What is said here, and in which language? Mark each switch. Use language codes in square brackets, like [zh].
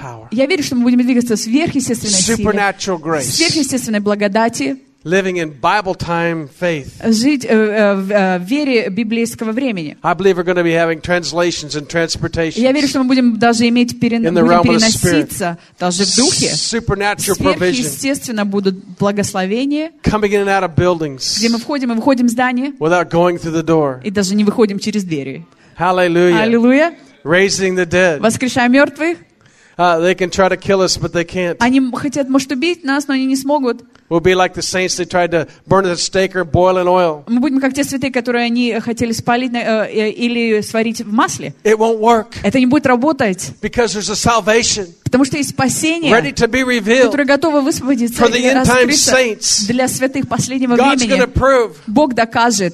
[ru] Я верю, что мы будем двигаться сверхъестественной благодати. [en] Living in Bible time faith. [ru] Жить в вере библейского времени. [en] I believe we're going to be having translations and transportations. [ru] Я верю, что мы будем даже иметь переноситься даже в духе. [en] Supernatural provision. [ru] Сверхъестественно будут благословения. [en] Coming in and out of buildings. [ru] Где мы входим и выходим здания. [en] Without going through the door. [ru] И даже не выходим через двери. [en] Hallelujah. [ru] Аллилуйя. [en] Raising the dead. [ru] Воскрешая мертвых. [en] They can try to kill us, but they can't. [ru] Они хотят, может, убить нас, но они не смогут. [en] We'll be like the saints that tried to burn at the stake or boil in oil. [ru] Мы будем как те святые, которые они хотели спалить или сварить в масле. [en] It won't work. [ru] Это не будет работать. [en] Because there's a salvation. [ru] Потому что есть спасение. [en] Ready to be revealed. [ru] Которое готово высвободиться. [en] For the end time saints. [ru] Для святых последнего [en] God's [ru] времени. [en] God's going to prove. [ru] Бог докажет.